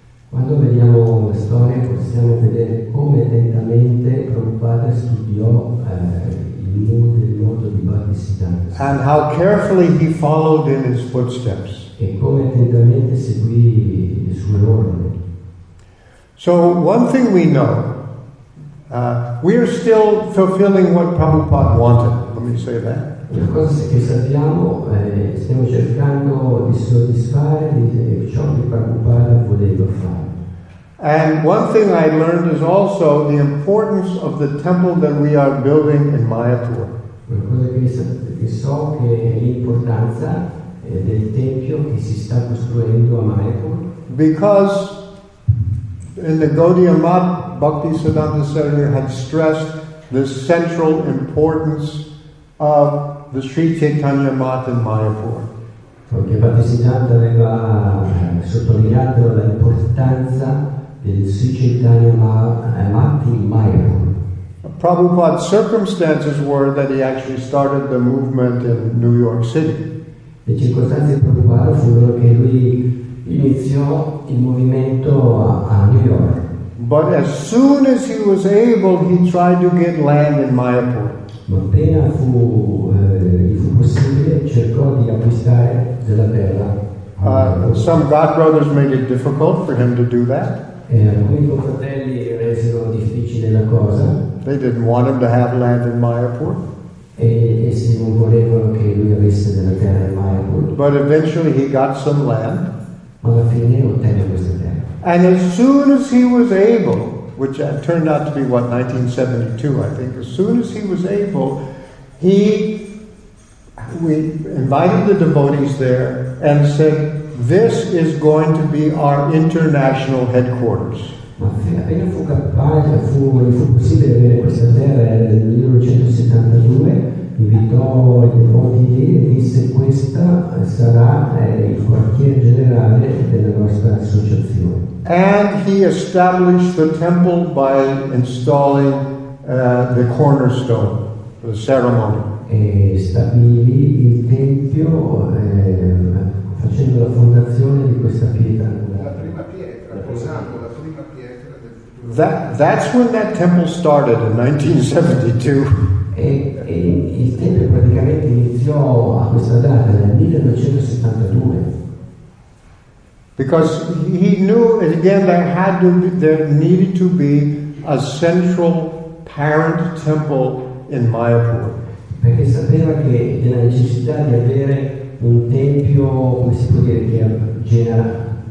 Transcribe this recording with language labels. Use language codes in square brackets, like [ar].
[it] Quando vediamo la storia, possiamo vedere come attentamente Prabhupada studiò il mondo di Bhakti Siddhanta. [en] And how carefully he followed in his footsteps. [it] E come attentamente seguì le sue orme. [en] So one thing we know, we are still fulfilling what Prabhupada wanted. Let me say that. [it] Una cosa che sappiamo, stiamo cercando di soddisfare di ciò che Prabhupada voleva fare. [en] And one thing I learned is also the importance of the temple that we are building in Mayapur. [it] Una cosa che so che è l'importanza del tempio che si sta costruendo a Mayapur. [en] Because in the Gaudiya Math, Bhakti Siddhanta Saraswati had stressed the central importance of the Sri Chaitanya Math in Mayapur. [it] Perché Bhakti Siddhanta aveva sottolineato l'importanza del Sri Chaitanya Math in Mayapur. [en] Prabhupada's circumstances were that he actually started the movement in New York City. [it] Le circostanze di Prabhupada furono che lui iniziò il movimento a New York. [en] But as soon as he was able, he tried to get land in Mayapur. [it] Ma appena fu possibile, cercò di acquistare della terra. [en] Some God brothers made it difficult for him to do that. [it] E alcuni fratelli resero difficile la cosa. [en] They didn't want him to have land in Mayapur. [it] E se non volevano che lui avesse della terra in Mayapur. [en] But eventually he got some land. [it] Alla fine ottenne questa terra. [en] And as soon as he was able, which turned out to be what, 1972, I think, as soon as he was able, we invited the devotees there and said, this is going to be our international headquarters. [it] Appena fu capace, fu possibile avere questa terra, era nel 1972, invitò i devoti lì e disse, questa sarà il quartier generale della nostra associazione. [en] And he established the temple by installing the cornerstone, the ceremony. [it] E stabilì il tempio facendo la fondazione di questa pietra. La prima pietra, posando la prima pietra del futuro. [en] That's when that temple started in 1972. [it] E il tempio praticamente iniziò a questa data, nel 1972. [en] Because he knew, again, there needed to be a central parent temple in Mayapur. [it] Perché sapeva che la necessità di avere un tempio, come si può dire, che genera